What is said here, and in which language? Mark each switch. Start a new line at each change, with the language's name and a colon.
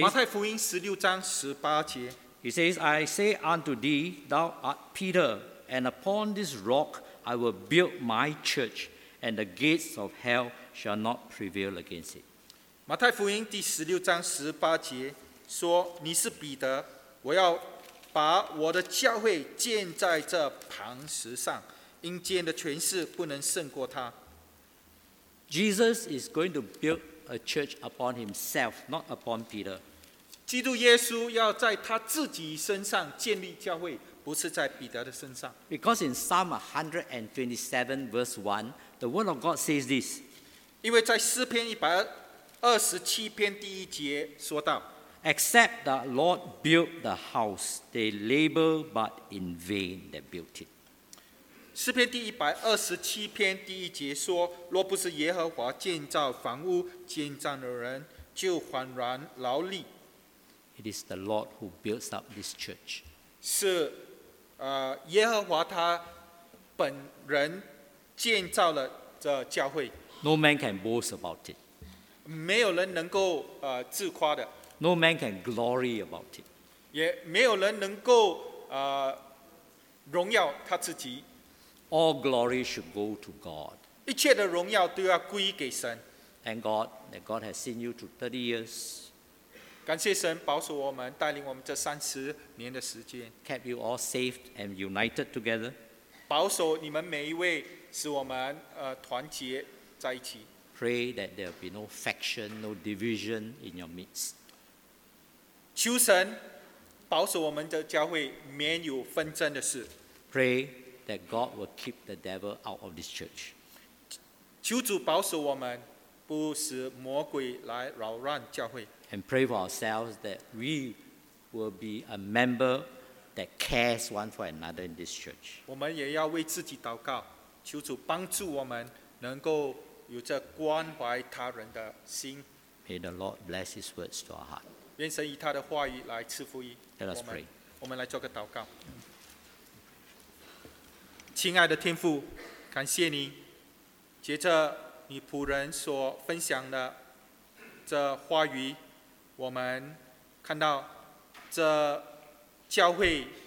Chinese: 马太福音十六章十八节。
English: He says, I say unto thee, thou art Peter, and upon this rock I will build my church, and the gates of hell shall not prevail against it.
Chinese: 马太福音第十六章十八节说，你是彼得，我要把我的教会建在这磐石上，阴间的权势不能胜过他。
English: Jesus is going to build a church upon himself, not upon Peter.
Chinese: 基督耶稣要在他自己身上建立教会，不是在彼得的身上。
English: Because in Psalm 127 verse 1, the word of God says this.
Chinese: 因为在诗篇127篇第一节说到，
English: Except the Lord build the house, they labor but in vain that built it.
Chinese: 诗篇第127篇第一节说，若不是耶和华建造房屋，建造的人就枉然劳力。
English: It is the Lord who builds up this church.
Chinese: 是耶和华他本人建造了这教会。
English: No man can boast about it.
Chinese: 没有人能够自夸的。
English: No man can glory about it.
Chinese: 也没有人能够荣耀他自己。
English: All glory should go to God.
Chinese: 一切的荣耀都要归给神。
English: Thank God that God has seen you through 30 years.
Chinese: 感谢神保守我们，带领我们这三十年的时间。
English: Kept you all safe and united together.
Chinese: 保守你们每一位，使我们团结在一起。
English: Pray that there be no faction, no division in your midst.
Chinese: 求神保守我们的教会免有纷争的事。
English: Pray that God will keep the devil out of this church.
Chinese: 求主保守我们，不使魔鬼来扰乱教会。
English: And pray for ourselves that we will be a member that cares one for another in this church.
Chinese: 我们也要为自己祷告，求主帮助我们能够有这关怀他人的心。
English: May the Lord bless His words to our heart.
Chinese: 愿神以他的话语来赐福于我们。
English: Let us pray.
Chinese: 我们来做个祷告。亲爱的天父，感谢你，接着你仆人所分享的这话语，我们看到这教会